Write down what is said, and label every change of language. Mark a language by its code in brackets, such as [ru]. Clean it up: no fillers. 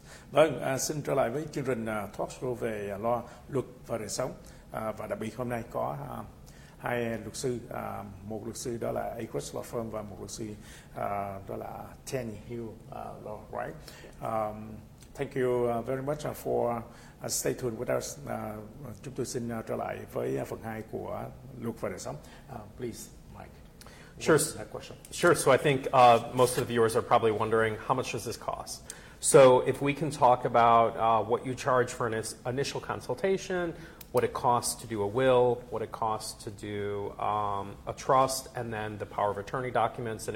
[vi] Vâng, xin trở lại với chương trình Talk Show về lo luật và đời sống. Và đặc biệt hôm nay có hai luật sư, một luật sư đó là Agruss Law Firm và một luật sư đó là Ten Hill Law, right? [en] Thank you very much for stay tuned with us. [vi] Chúng tôi xin trở lại với phần 2 của luật và đời sống. [en] Please, Mike. Sure. That question. Sure. So I think most of the viewers are probably wondering, how much does this cost? So if we can talk about what you charge for an initial consultation, what it costs to do a will, what it costs to do a trust, and then the power of attorney documents.